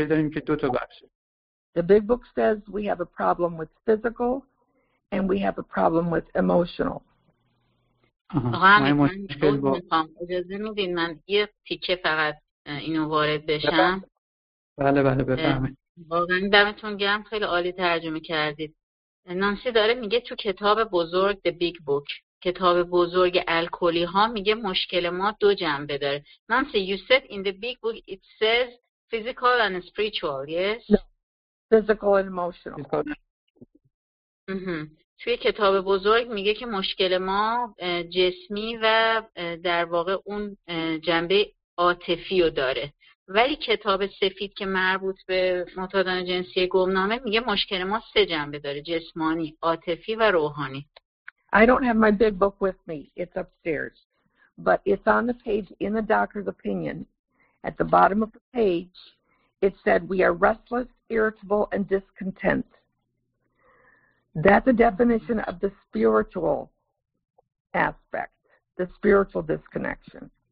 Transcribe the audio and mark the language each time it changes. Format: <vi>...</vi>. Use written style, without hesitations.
<en>The big book says we have a problem with physical and we have a problem with emotional.</en> <fa>آها من مشکل با اجازه میدین من یه تیکه فقط اینو وارد بشم. بله بفهمید. واقعا دمتون گرم، خیلی عالی ترجمه کردید. نانسی داره میگه تو کتاب بزرگ The Big Book، کتاب بزرگ الکلی ها، میگه مشکل ما دو جنبه داره.</fa> <en>Nancy, you said in the big book it says physical and spiritual, yes? No. Physical and emotional.</en> <fa>توی کتاب بزرگ میگه که مشکل ما جسمی و در واقع اون جنبه عاطفی رو داره. ولی کتاب سفید که مربوط به معتادان جنسی گمنامه میگه مشکل ما سه جنبه داره: جسمانی، عاطفی و روحانی.</fa> <en>I don't have my big book with me. It's upstairs. But it's on the page in the doctor's opinion. At the bottom of the page, it said we are restless, irritable, and discontent. That's a definition of the spiritual aspect, the spiritual disconnection.</en>